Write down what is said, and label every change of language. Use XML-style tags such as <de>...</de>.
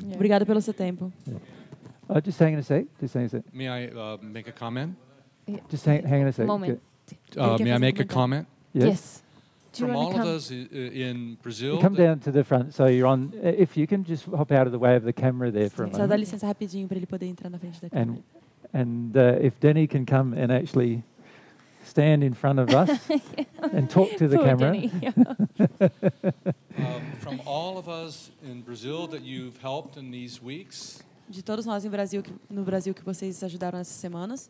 <pt>Yeah. Obrigada pelo seu tempo.</pt> <en>Yeah. Just hang on a sec. Just hang on a sec. May I make a comment? Yeah. Just hang on a sec. Moment. Okay. May I make a comment? Yes. From all of us in Brazil. Come down to the front, so you're on. If you can just hop out of the way of the camera there for a moment.</en> <pt>Só dá licença rapidinho para ele poder entrar na frente da câmera.</pt> <en>And if Denny can come and actually stand in front of us and talk to the camera. From all of us in Brazil that you've helped in these weeks.</en> <pt>De todos nós no Brasil que vocês ajudaram essas semanas.</pt>